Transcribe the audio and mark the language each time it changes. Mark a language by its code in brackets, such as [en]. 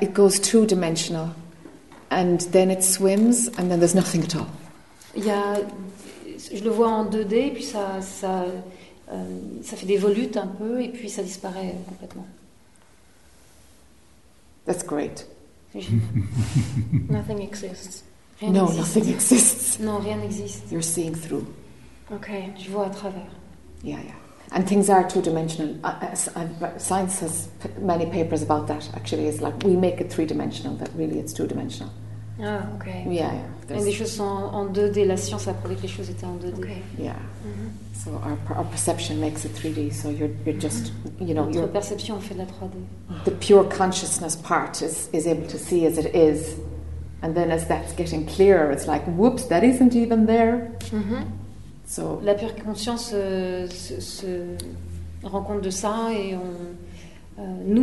[en] It goes two dimensional, and then it swims, and then there's nothing at all. [fr] Yeah, je le vois en 2D, puis ça fait des volutes un peu, et puis ça disparaît complètement. [en] That's great. Nothing exists. [fr] Rien no, existe. [en] Nothing exists. [fr] Non, rien n'existe. [en] You're seeing through. [fr] Okay, je vois à travers. [en] Yeah, yeah. And things are two-dimensional. Science has many papers about that, actually. It's like we make it three-dimensional, but really it's two-dimensional. Ah, okay. Yeah, yeah. [fr] And les choses sont en 2D. La science a prouvé que les choses étaient en 2D. [en] Okay. Yeah. Mm-hmm. So our perception makes it 3D. So you're just, you know... [fr] Notre perception fait de la 3D. [en] The pure consciousness part is able to see as it is. And then as that's getting clearer, it's like, whoops, that isn't even there. Mm-hmm. So, [fr] la pure conscience se rend compte de ça et on